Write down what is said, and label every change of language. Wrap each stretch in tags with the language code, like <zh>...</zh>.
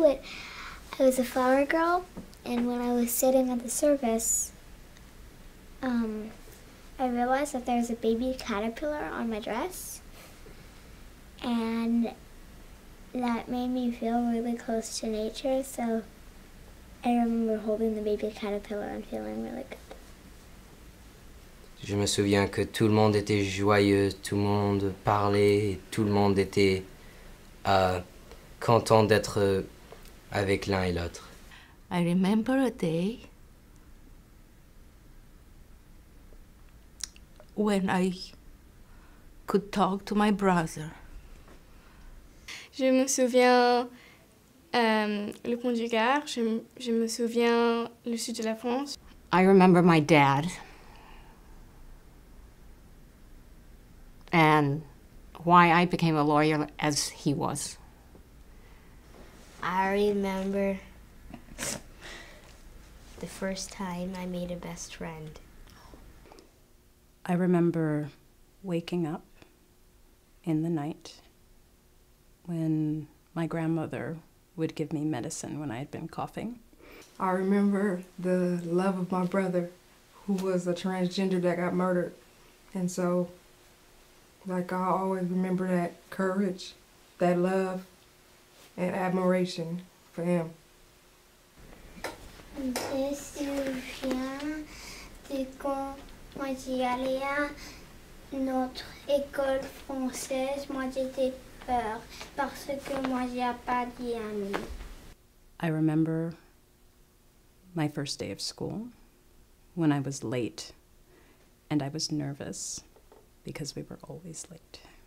<en>But I was a flower girl, and when I was sitting at the service, I realized that there was a baby caterpillar on my dress. And that made me feel really close to nature, so I remember holding the baby caterpillar and feeling really good.</en> <fr>Je me souviens que tout le monde était joyeux, tout le monde parlait, et tout le monde était content d'être avec l'un et l'autre.</fr> <en>I remember a day when I could talk to my brother.</en> <fr>Je me souviens le pont du Gard, je me souviens le sud de la France.</fr> <en>I remember my dad and why I became a lawyer as he was. I remember the first time I made a best friend. I remember waking up in the night when my grandmother would give me medicine when I had been coughing. I remember the love of my brother, who was a transgender that got murdered. And so, like, I always remember that courage, that love, and admiration for him.</en> <fr>Je me souviens de quand moi j'y allais à notre école française, moi j'étais peur parce que moi j'y ai pas d'amis.</fr> <en>I remember my first day of school when I was late and I was nervous because we were always late.</en>